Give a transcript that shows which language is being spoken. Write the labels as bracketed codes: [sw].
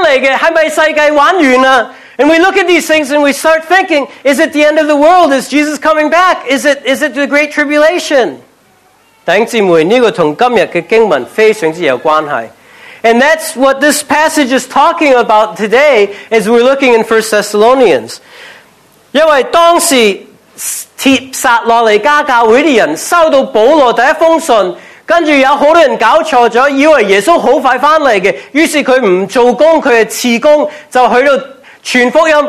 [zh] 我们看到很多人会觉得，是不是末日？是不是耶稣回来的？是不是世界完完了？ [en] And we look at these things and we start thinking, is it the end of the world? Is Jesus coming back? Is it the Great Tribulation? [zh] 弟兄姊妹，这个跟今日的经文非常之有关系。 [en] And that's what this passage is talking about today as we're looking in 1 Thessalonians. [zh] 因为当时帖撒罗尼迦教会的人收到保罗第一封信，跟着有很多人搞错了，以为耶稣很快回来的，于是他不做工，他是次工，就去到